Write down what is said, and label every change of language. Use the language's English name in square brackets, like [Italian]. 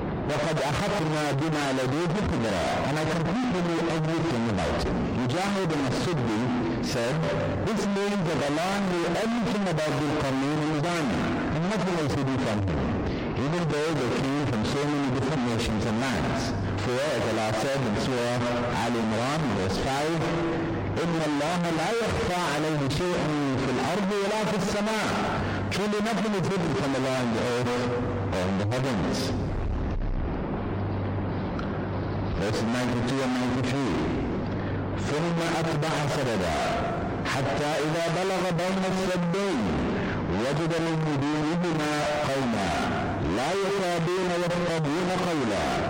[Arabic] وَقَدْ أَخَفْنَا بِمَا لَدَيْهِ خِبْرًا. [English] And I completely knew everything about him. Mujahid al-Masudi said, this means that Allah knew everything about Dhul-Qarnayn and his army, and nothing else he knew from him, even though they came from so many different nations and lands. For as Allah said in Surah Ali Imran, verse 5, [Arabic] إِنَّ اللَّهَ لَا يَخْفَى عَلَيْهِ شَيْءٍ فِي الْأَرْضِ وَلَا فِي السَّمَاءِ. [English] Truly nothing is hidden from Allah in the earth or in the heavens. Verses 92 and 93. [Arabic] ثُمَّ أَتْبَعَ سَبَبًا حَتَّى إِذَا بَلَغَ بَيْنَ السَّدَّيْنِ وَجَدَ مِنْ دُونِهِمَا قَوْمًا لَا يَكَادُونَ يَفْقَهُونَ قَوْلًا.